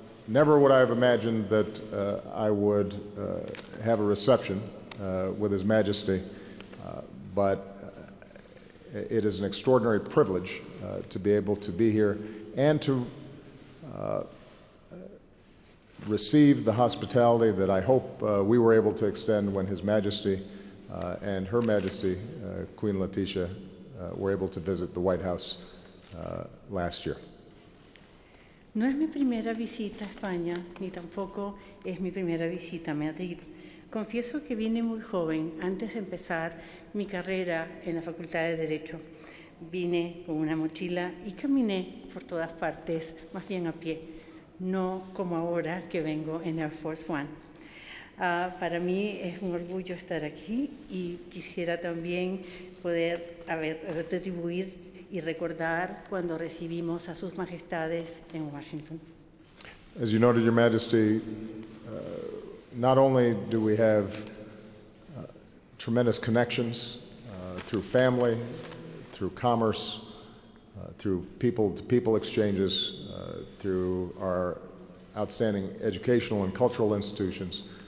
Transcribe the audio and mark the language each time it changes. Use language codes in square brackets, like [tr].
[en] Never would I have imagined that I would have a reception with His Majesty, but it is an extraordinary privilege to be able to be here and to receive the hospitality that I hope we were able to extend when His Majesty and Her Majesty, Queen Letizia, were able to visit the White House last year. [es] No es mi primera visita a España, ni tampoco es mi primera visita a Madrid. Confieso que vine muy joven, antes de empezar mi carrera en la Facultad de Derecho. Vine con una mochila y caminé por todas partes, más bien a pie, no como ahora que vengo en Air Force One. Para mí es un orgullo estar aquí y quisiera también poder retribuir y recordar cuando recibimos a sus majestades en Washington. [en] As you noted, Your Majesty, not only do we have tremendous connections through family, through commerce, through people-to-people exchanges, through our outstanding educational and cultural institutions,